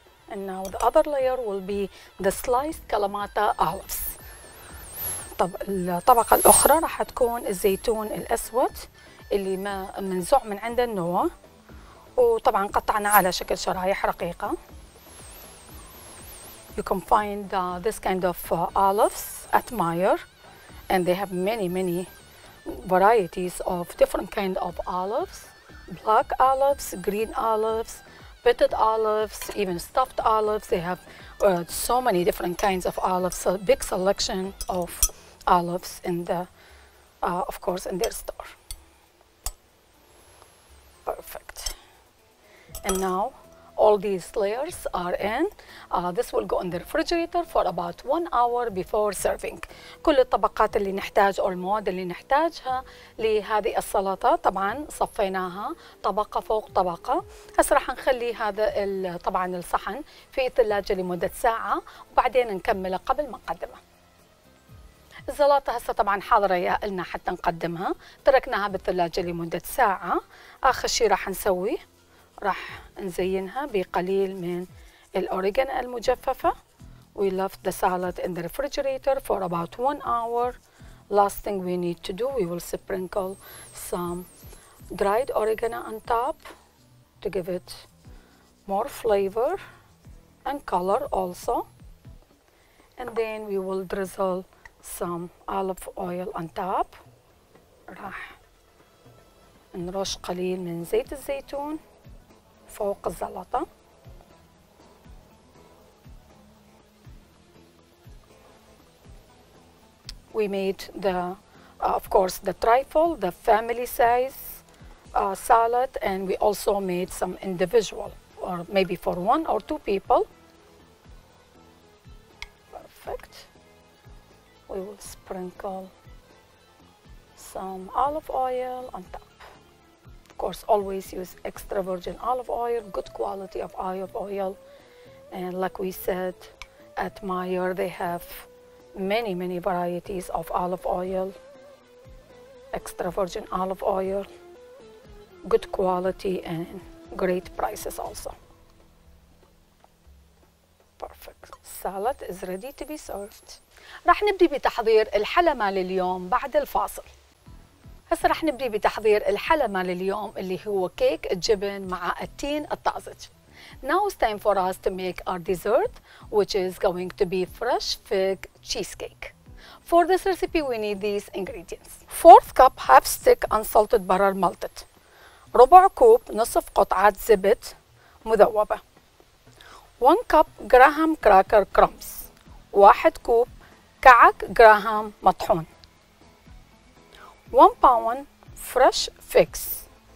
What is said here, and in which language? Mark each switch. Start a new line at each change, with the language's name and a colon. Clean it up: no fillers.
English: And now the other layer will be the sliced Kalamata olives.
Arabic: الطبقة الأخرى راح تكون الزيتون الأسود اللي ما منزوع من عند النوا. وطبعا قطعنا على شكل شرايح رقيقة.
English: You can find this kind of olives at Meijer and they have many varieties of different kind of olives. Black olives, green olives, pitted olives, even stuffed olives. They have so many different kinds of olives. A big selection of olives in the, of course, in their store. Perfect. And now all these layers are in. This will go in the refrigerator for about 1 hour before serving.
Arabic: كل الطبقات اللي نحتاج أو المواد اللي نحتاجها لهذه السلطة طبعا صفيناها طبقة فوق طبقة. هسه راح نخلي هذا طبعا الصحن في الثلاجة لمدة ساعة وبعدين نكمله قبل ما نقدمه. الزلاطة هسه طبعا حاضرة يا لنا حتى نقدمها. تركناها بالثلاجة لمدة ساعة. آخر شيء راح نسويه راح نزينها بقليل من الأوريغانو المجففة.
English: We left the salad in the refrigerator for about 1 hour. Last thing we need to do, we will sprinkle some dried oregano on top to give it more flavor and color also. And then we will drizzle some olive oil on top.
Arabic: راح نرش قليل من زيت الزيتون فوق الزلطة.
English: We made the, of course, the trifle, the family size salad, and we also made some individual, or maybe for one or two people. Perfect. We will sprinkle some olive oil on top. Of course, always use extra virgin olive oil, good quality of olive oil. And like we said, at Meijer, they have many, many varieties of olive oil, extra virgin olive oil, good quality and great prices also. Perfect. Salad is ready to be served.
Arabic: رح نبدي بتحضير الحلمة لليوم بعد الفاصل. هسا رح نبدي بتحضير الحلمة لليوم اللي هو كيك الجبن مع التين الطازج.
English: Now it's time for us to make our dessert, which is going to be fresh fig cheesecake. For this recipe, we need these ingredients. 4th cup half stick unsalted butter melted.
Arabic: ربع كوب نصف قطعة زبد مذوبة.
English: 1 cup graham cracker crumbs.
Arabic: 1 كوب كعك جراهام مطحون.
English: 1 pound fresh figs.